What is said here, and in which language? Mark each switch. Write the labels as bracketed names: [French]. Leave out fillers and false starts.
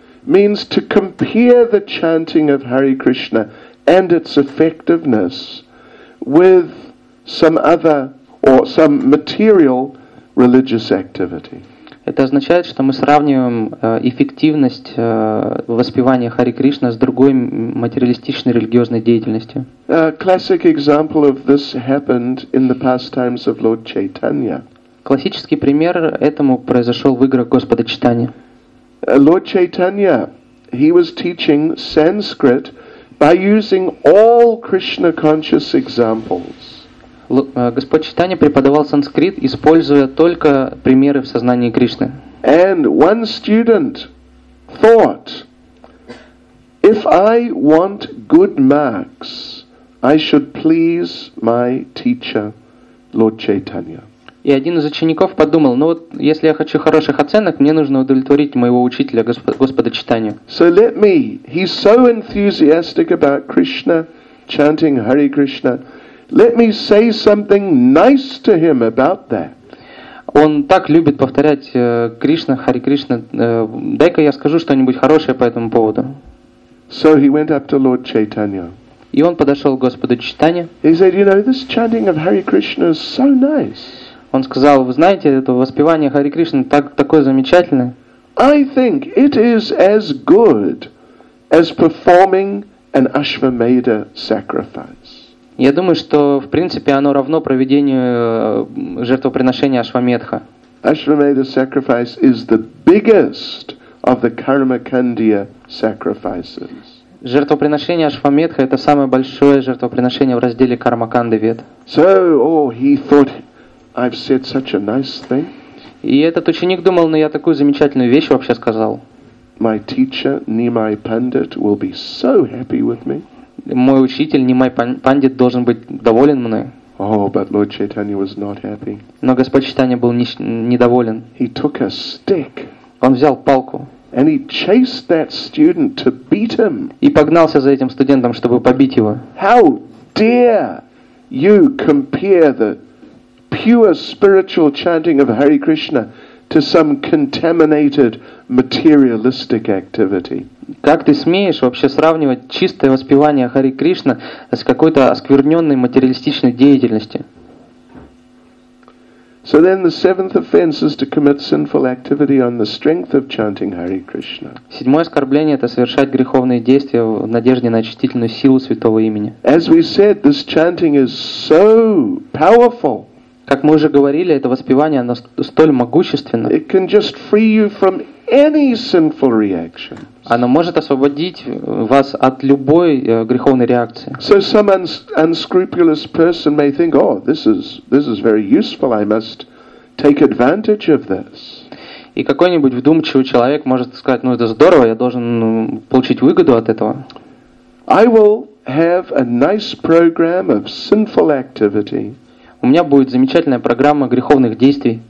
[English] Means to compare the chanting of Hare Krishna and its effectiveness with some other or some material religious activity. [Russian] Это означает, что мы сравниваем эффективность воспевания Хари Кришна с другой материалистичной религиозной деятельностью. [English] A classic example of this happened in the pastimes of Lord Chaitanya. [Russian] Классический пример этому произошел в играх Господа Чайтаньи. [English] Lord Chaitanya, he was teaching Sanskrit by using all Krishna conscious examples. [Russian] Господь Чайтанья преподавал санскрит, используя только примеры в сознании Кришны. [English] And one student thought, if I want good marks, I should please my teacher, Lord Chaitanya. [Russian] И один из учеников подумал, ну вот если я хочу хороших оценок, мне нужно удовлетворить моего учителя, Господа Чайтанью. [English] So let me, he's so enthusiastic about Krishna, chanting Hare Krishna, let me say something nice to him about that. [Russian] Он так любит повторять Кришна, Хари Кришна, дай-ка я скажу что-нибудь хорошее по этому поводу. [English] So he went up to Lord Chaitanya. [Russian] И он подошел к Господу Чайтанью. [English] He said, you know, this chanting of Hare Krishna is so nice. [Russian] Он сказал, вы знаете, это воспевание Хари Кришны такое замечательное. [English] I think it is as good as performing an Ashwamedha sacrifice. [Russian] Я думаю, что в принципе оно равно проведению жертвоприношения Ашвамедха. [English] Ashwamedha sacrifice is the biggest of the Karmakandiya sacrifices. [Russian] Жертвоприношение Ашвамедха — это самое большое жертвоприношение в разделе Кармаканды Вед. [English] So, oh, he thought, I've said such a nice thing. [Russian] И этот ученик думал, ну я такую замечательную вещь вообще сказал. [English] My teacher, Nimai Pandit, will be so happy with me. [Russian] Мой учитель, Нимай Пандит, должен быть доволен мной. [English] Oh, but Lord Chaitanya was not happy. [Russian] Но Господь Чайтанья был недоволен. [English] He took a stick. [Russian] Он взял палку. [English] And he chased that student to beat him. [Russian] И погнался за этим студентом, чтобы побить его. [English] How dare you compare the pure spiritual chanting of Hare Krishna to some contaminated materialistic activity. [Russian] Как ты смеешь вообще сравнивать чистое воспевание Хари Кришна с какой-то оскверненной материалистичной деятельностью? [English] So then the seventh offense is to commit sinful activity on the strength of chanting Hare Krishna. [Russian] Седьмое оскорбление — это совершать греховные действия в надежде на очистительную силу святого имени. [English] As we said, this chanting is so powerful. [Russian] Как мы уже говорили, это воспевание, оно столь могущественно. [English] It can just free you from any sinful reaction. [Russian] Оно может освободить вас от любой греховной реакции. [English] So some unscrupulous person may think, oh, this is very useful, I must take advantage of this. [Russian] И какой-нибудь вдумчивый человек может сказать, ну это здорово, я должен получить выгоду от этого. [English] I will have a nice program of sinful activity. [Russian] У меня будет замечательная программа греховных действий.